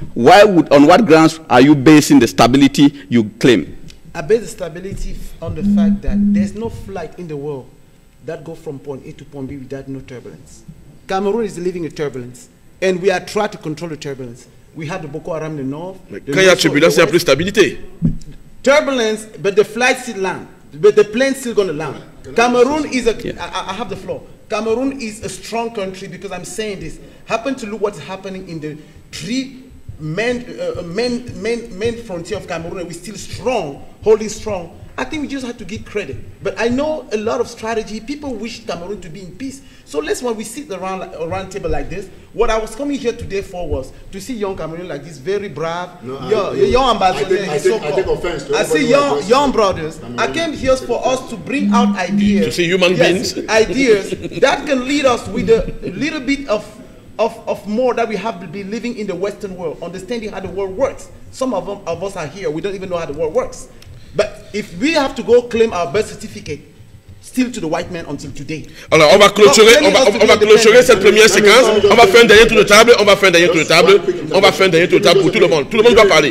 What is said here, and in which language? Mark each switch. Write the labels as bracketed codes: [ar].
[en] On what grounds are you basing the stability you claim? I base the stability on the fact that there's no flight in the world that goes from point A to point B without no turbulence. Cameroon is living a turbulence, and we are trying to control the turbulence. We had the Boko Haram in the north. [fr] Quand il y a turbulence, il n'y a plus stabilité. [en] Turbulence, but the flight still land. But the plane still going to land. Cameroon is a... Yeah. I have the floor. Cameroon is a strong country, because I'm saying this. Happen to look what's happening in the three main frontier of Cameroon, and we're still strong, holding strong. I think we just have to give credit. But I know a lot of strategy. People wish Cameroon to be in peace. So let's, when we sit around table like this, what I was coming here today for was to see young Cameroon like this, very brave. Young ambassadors. I see young brothers. Cameroon. I came here for us to bring out ideas. To see human beings. Ideas that can lead us with a little bit of more that we have to be living in the Western world, understanding how the world works. Some of us are here. We don't even know how the world works. But if we have to go claim our birth certificate, still to the white man until today. [fr] Alors, on va clôturer, on va clôturer cette première séquence. On va faire un dernier tour de table. On va faire un dernier tour de table. On va faire un dernier tour de table pour tout le monde. Tout le monde doit parler.